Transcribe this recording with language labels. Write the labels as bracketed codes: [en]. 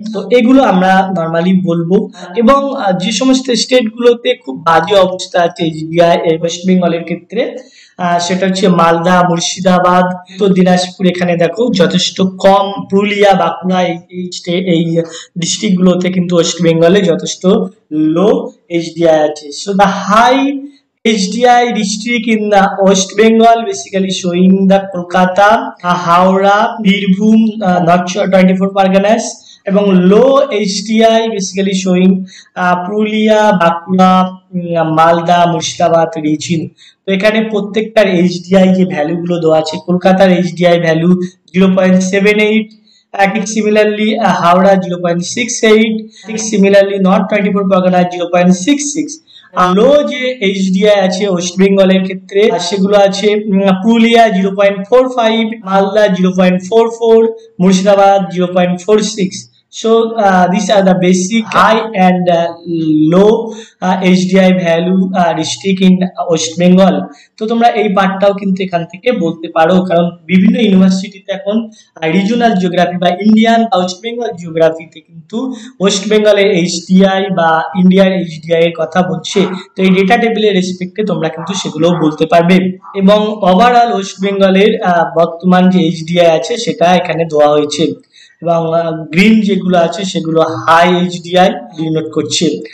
[bn] তো এগুলো আমরা নর্মালি বলবো। এবং যে সমস্ত স্টেট গুলোতে খুব বাজে অবস্থা আছে এইচডিআই ওয়েস্ট বেঙ্গলের ক্ষেত্রে, সেটা হচ্ছে মালদা, মুর্শিদাবাদ, উত্তর দিনাজপুর, এখানে দেখো যথেষ্ট কম, পুরুলিয়া, বাঁকুড়া, এই এই ডিস্ট্রিক্ট গুলোতে কিন্তু ওয়েস্ট বেঙ্গলে যথেষ্ট লো এইচডিআই আছে। [en] So the high HDI district in the West Bengal basically showing the Kolkata, Howrah, Birbhum, North Shore 24 Parganas, এবং low HDI basically showing Purulia, Bankura, Malda, Murshidabad, region. [bn] তো এখানে প্রত্যেকটার এইচডিআই যে ভ্যালুগুলো দেওয়া আছে, কলকাতার এইচডিআই ভ্যালু 0.78, ঠিক সিমিলারলি হাওড়া 0.68, ঠিক সিমিলারলি নর্থ 24 পরগনা 0.66। আরো যে এইচডিআই আছে ওয়েস্ট বেঙ্গলের ক্ষেত্রে সেগুলো আছে Purulia 0.45, Malda 0.44, Murshidabad 0.46। [en] these are the basic high and low HDI value district in West Bengal. [bn] তো তোমরা এই পার্টটাও কিন্তু এখান থেকে বলতে পারো, কারণ বিভিন্ন ইউনিভার্সিটিতে এখন রিজিওনাল জিওগ্রাফি বা ইন্ডিয়ান বা ওয়েস্ট বেঙ্গল জিওগ্রাফিতে কিন্তু ওয়েস্ট বেঙ্গলের এইচডিআই বা ইন্ডিয়ার এইচডিআই এর কথা বলছে। তো এই ডেটা টেবিলের রেসপেক্টে তোমরা কিন্তু সেগুলোও বলতে পারবে। এবং ওভারঅল ওয়েস্ট বেঙ্গলের বর্তমান যে এইচডিআই আছে সেটা এখানে দেওয়া হয়েছে, এবং গ্রিন যেগুলো আছে সেগুলো হাই এইচডিআই ডিনোট করছে।